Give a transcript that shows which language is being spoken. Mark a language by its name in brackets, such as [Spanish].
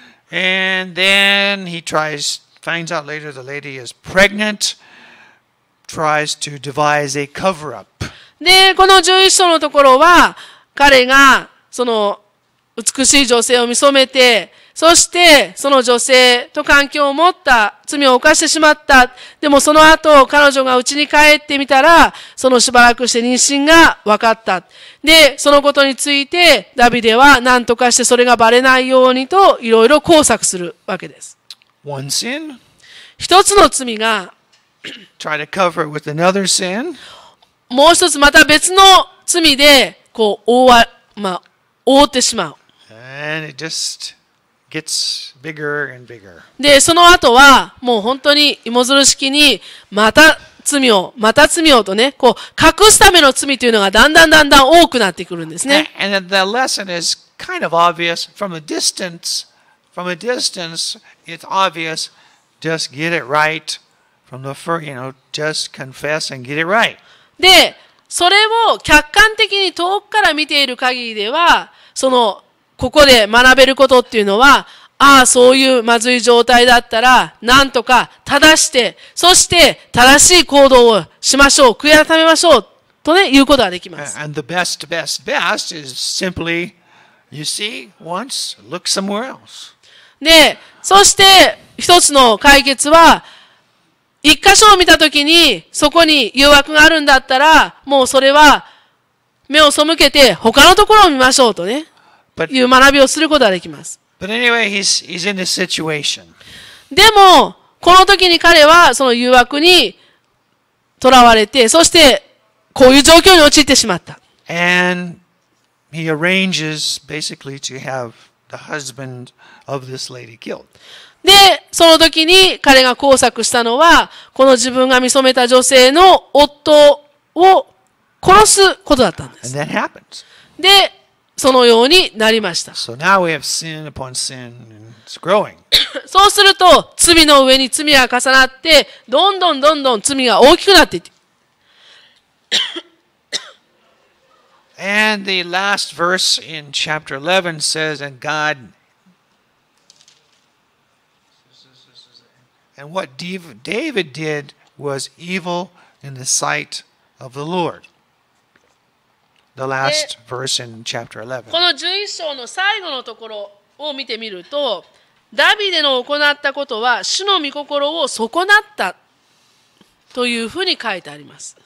[English] And then he finds out later the lady is pregnant, tries to devise a cover-up. [Japanese] で、この11章のところは、彼が、その、美しい女性を見初めて、そして、その女性と関係を持った、罪を犯してしまった。でも、その後、彼女が家に帰ってみたら、そのしばらくして妊娠が分かった。で、そのことについて、ダビデは何とかしてそれがバレないようにと、いろいろ工作するわけです。 [English] One sin? [Japanese] 一つの罪が、 [English] try to cover it with another sin? [Japanese] もう一つ、また別の罪で、こう、覆ってしまう。 [English] And it just... Gets bigger and bigger. [Japanese] で、その後は、もう本当に芋づる式に、また罪をとね、こう、隠すための罪というのがだんだん多くなってくるんですね。 [English] And the lesson is kind of obvious from a distance. From a distance, it's obvious. Just get it right. From the first, you know, just confess and get it right. [Japanese] で、それを客観的に遠くから見ている限りでは、その、ここで学べることっていうのは、ああ、そういうまずい状態だったら、なんとか正して、そして正しい行動をしましょう、悔い改めましょう、とね、言うことができます。 [English] And the best, best, best is simply, you see, once, look somewhere else. [Japanese] で、そして一つの解決は、一箇所を見たときに、そこに誘惑があるんだったら、もうそれは、目を背けて、他のところを見ましょう、とね。 [English] But, [Japanese] いう学びをすることができます。 [English] Anyway, he's in this situation. [Japanese] でも、この時に彼はその誘惑に囚われて、そしてこういう状況に陥ってしまった。 [English] And he arranges basically to have the husband of this lady killed. [Japanese] で、その時に彼が工作したのは、この自分が見初めた女性の夫を殺すことだったんです。 [English] And that happens. [Japanese] で、そのようになりました。 [English] So now we have sin upon sin and it's growing. [Japanese] そうすると、罪の上に罪が重なって、どんどん罪が大きくなっていって。 [English] And the last verse in chapter 11 says, And God. And what David did was evil in the sight of the Lord. The last verse in chapter 11. [Japanese] この11章の最後のところを見てみると、ダビデの行ったことは主の御心を損なったというふうに書いてあります。